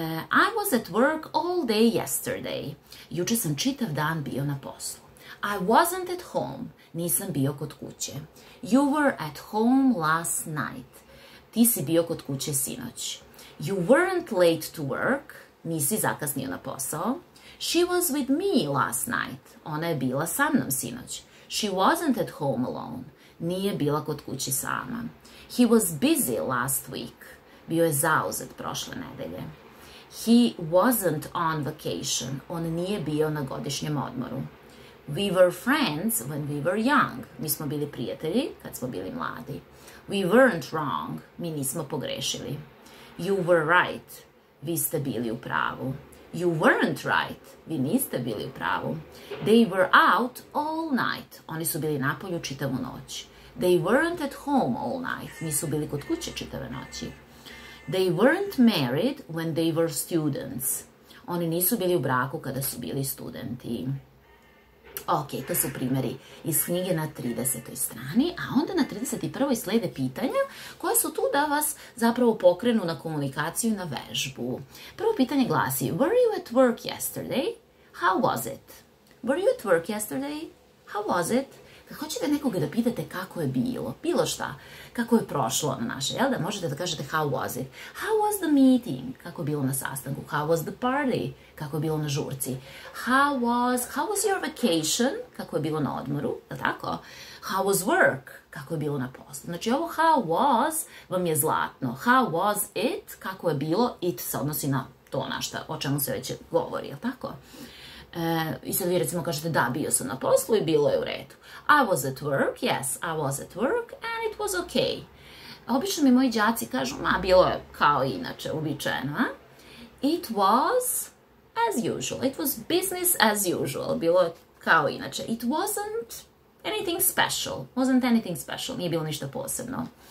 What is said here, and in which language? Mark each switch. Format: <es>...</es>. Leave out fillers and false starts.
<en>I was at work all day yesterday.</en> <sr>Juče sam čitav dan bio na poslu.</sr> <en>I wasn't at home.</en> <sr>Nisam bio kod kuće.</sr> <en>You were at home last night.</en> <sr>Ti si bio kod kuće sinoć.</sr> <en>You weren't late to work.</en> <sr>Nisi zakasnio na posao.</sr> <en>She was with me last night.</en> <sr>Ona je bila sa mnom sinoć.</sr> <en>She wasn't at home alone.</en> <sr>Nije bila kod kući sama.</sr> <en>He was busy last week.</en> <sr>Bio je zauzet prošle nedelje.</sr> <en>He wasn't on vacation.</en> <sr>On nije bio na godišnjem odmoru.</sr> <en>We were friends when we were young.</en> <sr>Mi smo bili prijatelji kad smo bili mladi.</sr> <en>We weren't wrong.</en> <sr>Mi nismo pogrešili.</sr> <en>You were right.</en> <sr>Vi ste bili u pravu.</sr> <en>You weren't right.</en> <sr>Vi niste bili u pravu.</sr> <en>They were out all night.</en> <sr>Oni su bili napolju čitavu noć.</sr> <en>They weren't at home all night.</en> <sr>Nisu bili kod kuće čitave noći.</sr> <en>They weren't married when they were students.</en> <sr>Oni nisu bili u braku kada su bili studenti. Ok, to su primjeri iz knjige na 30. strani, a onda na 31. slede pitanja koje su tu da vas zapravo pokrenu na komunikaciju, na vežbu. Prvo pitanje glasi,</sr> <en>were you at work yesterday? How was it? Were you at work yesterday? How was it?</en> <sr>Kad hoćete nekoga da pitate kako je bilo, bilo šta, kako je prošlo na naše, jel da, možete da kažete how was it?</sr> <en>How was the meeting?</en> <sr>Kako je bilo na sastanku?</sr> <en>How was the party?</en> <sr>Kako je bilo na žurci?</sr> <en>How was your vacation?</en> <sr>Kako je bilo na odmoru? Jel tako?</sr> <en>How was work?</en> <sr>Kako je bilo na poslu? Znači ovo how was vam je zlatno.</sr> <en>How was it?</en> <sr>Kako je bilo? It se odnosi na to na šta, o čemu se već govori, jel tako? I sad vi recimo kažete da, bio sam na poslu i bilo je u redu.</sr> <en>I was at work, yes, I was at work and it was okay.</en> <sr>Obično mi moji đaci kažu, ma bilo je kao inače, uobičajeno.</sr> <en>It was as usual, it was business as usual,</en> <sr>bilo je kao inače.</sr> <en>It wasn't anything special,</en> <sr>nije bilo ništa posebno.</sr>